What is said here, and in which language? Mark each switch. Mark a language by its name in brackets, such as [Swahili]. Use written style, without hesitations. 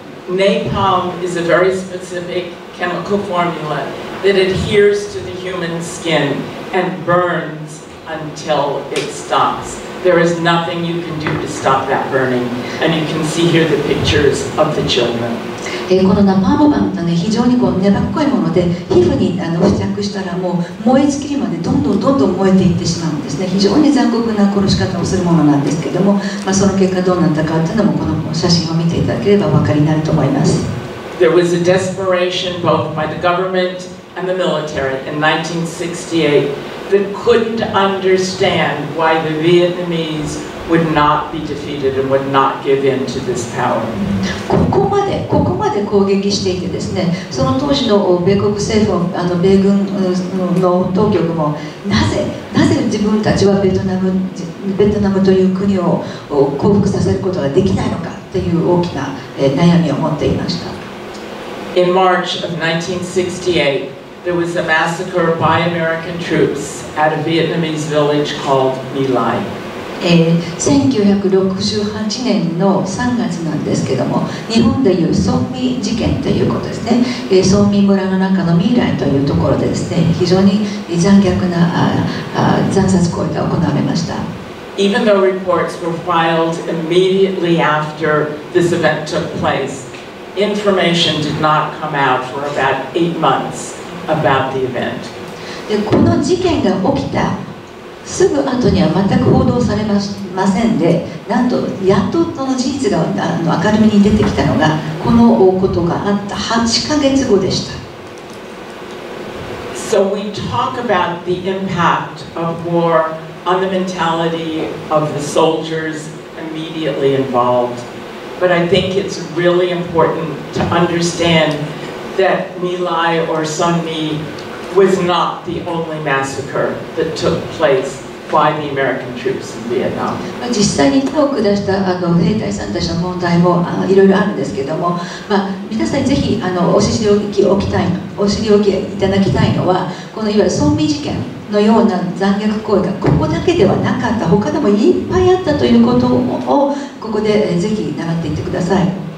[English] Napalm is a very specific chemical formula that adheres to the human skin. And burns until it stops. There is nothing you can do to stop that burning. And you can see here the pictures of the children. [Japanese] このナパーム弾はね、非常にこう粘っこいもので、皮膚に付着したらもう燃え尽きるまでどんどんどんどん燃えていってしまうんですね。非常に残酷な殺し方をするものなんですけども、まあ、その結果どうなったかというのもこの写真を見ていただければお分かりになると思います。 [English] There was a desperation both by the government. And the military in 1968 that couldn't understand why the Vietnamese would not be defeated and would not give in to this power. [Japanese] ここまで攻撃していてですね、その当時の米国政府、米軍の当局もなぜ自分たちはベトナムという国を降伏させることができないのかという大きな悩みを持っていました。 [English] In March of 1968,There was a massacre by American troops at a Vietnamese village called My Lai. [Japanese] 1968年の3月なんですけども、日本でいうソンミ事件ということですね。ソンミ村の中のミライというところでですね、非常に残虐な残殺行為が行われました。 [English] Even though reports were filed immediately after this event took place, information did not come out for about 8 months. About the event. [Japanese] でこの事件が起きたすぐ後には全く報道されませんで、なんとやっとその事実が明るみに出てきたのがこのことがあった8ヶ月後でした。 [English] So we talk about the impact of war on the mentality of the soldiers immediately involved, but I think it's really important to understand. That My Lai or Son My was not the only massacre that took place by the American troops in Vietnam. [Japanese] 実際に手を下した兵隊さんたちの問題もいろいろあるんですけども、まあ、皆さんにぜひお知りおきいただきたいのは、このいわゆるソンミ事件のような残虐行為がここだけではなかった、他でもいっぱいあったということをここでぜひ習っていってください。